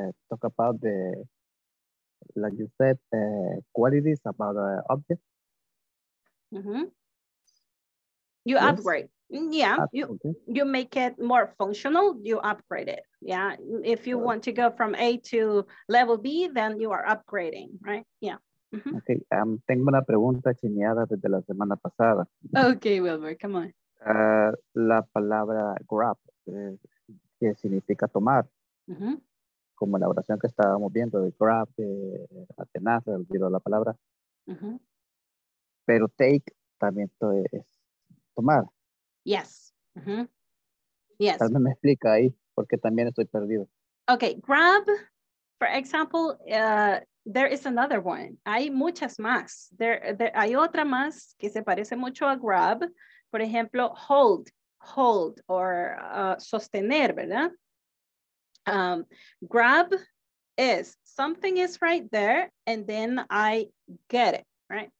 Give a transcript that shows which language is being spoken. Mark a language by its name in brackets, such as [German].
[English] Talk about the, like you said, qualities about the object. Mm-hmm. You yes. Upgrade. Yeah, you make it more functional, you upgrade it. Yeah, if you want to go from A to level B, then you are upgrading, right? Yeah. Mm-hmm. [Spanish] Okay, tengo una pregunta chineada desde la semana pasada. [English] Okay, Wilbur, come on. [Spanish] La palabra grab, ¿qué significa tomar? Mm-hmm. Como la oración que estábamos viendo de grab, atenaz, olvido la palabra. Mm-hmm. Pero take también es tomar. [English] Yes. Mm-hmm. Yes. [Spanish] Tal vez me explica ahí, porque también estoy perdido. [English] Okay, grab, for example, there is another one. [Spanish] Hay muchas más. [English] There [Spanish] hay otra más que se parece mucho a grab. Por ejemplo, hold, or sostener, ¿verdad? [English] Grab is, something is right there, and then I get it, right?